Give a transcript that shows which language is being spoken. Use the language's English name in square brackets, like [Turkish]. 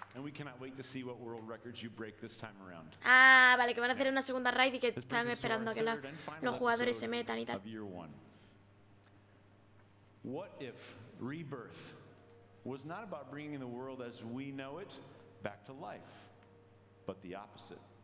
[English] And we cannot wait to see what world records you break this time around. [Spanish] Ah, vale, que van a hacer una segunda raid y que están esperando que los jugadores se metan y tal. [English] What if rebirth was not about bringing the world as we know it back to life, but the opposite?